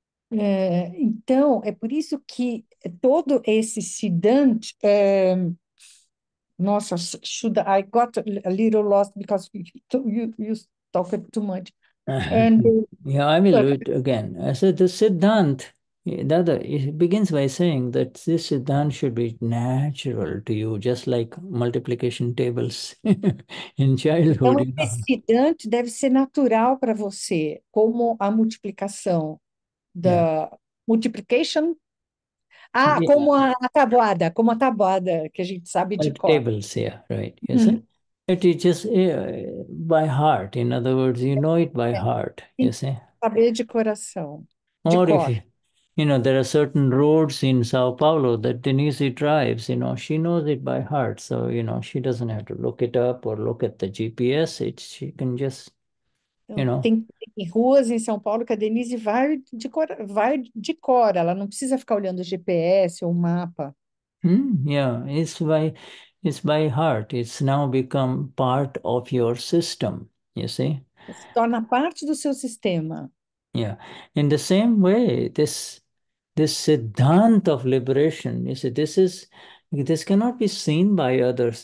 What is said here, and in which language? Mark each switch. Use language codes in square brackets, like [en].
[pt] Então, é por isso que todo esse Siddhant, nossa, [en] should I got a little lost because you talked too much. And, yeah, I will do it again. I said the Siddhant, Dada, it begins by saying that this Siddhant should be natural to you, just like multiplication tables in childhood. [pt] Então, esse Siddhant deve ser natural para você, como a multiplicação. [en] The multiplication? [pt] Ah, como a tabuada, que a gente sabe de cor. [en] Tables, yeah, right. Yes, it is just by heart. In other words, you know it by heart, you see. [pt] Saber de coração, de [en] or [pt] cor. [en] If, you know, there are certain roads in Sao Paulo that Denise drives, you know, she knows it by heart. So, you know, she doesn't have to look it up or look at the GPS. It's, she can just, you know. [pt] Tem ruas em São Paulo que a Denise vai de cor, ela não precisa ficar olhando o GPS ou o mapa. [en] Yeah, it's by heart. It's now become part of your system, you see? [pt] Se torna parte do seu sistema. [en] Yeah, in the same way, this Siddhant of liberation, you see, this cannot be seen by others.